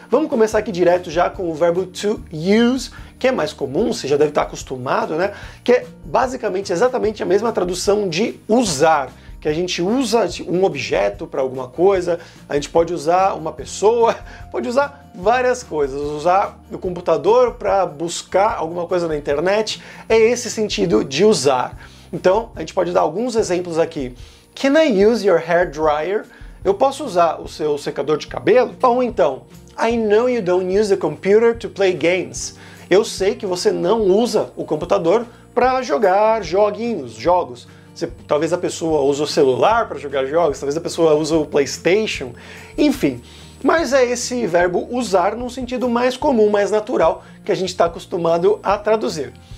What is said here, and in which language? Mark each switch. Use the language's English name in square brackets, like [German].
[Portuguese] Vamos começar aqui direto já com o verbo to use, que é mais comum, você já deve estar acostumado, né, que é basicamente exatamente a mesma tradução de usar, que a gente usa um objeto para alguma coisa, a gente pode usar uma pessoa, pode usar várias coisas, usar o computador para buscar alguma coisa na internet, é esse sentido de usar. Então, a gente pode dar alguns exemplos aqui. [English] Can I use your hair dryer? [Portuguese] Eu posso usar o seu secador de cabelo? Ou então, [English] I know you don't use the computer to play games. [Portuguese] Eu sei que você não usa o computador para jogar joguinhos, jogos. Talvez a pessoa use o celular para jogar jogos, talvez a pessoa use o PlayStation, enfim. Mas é esse verbo usar num sentido mais comum, mais natural, que a gente está acostumado a traduzir.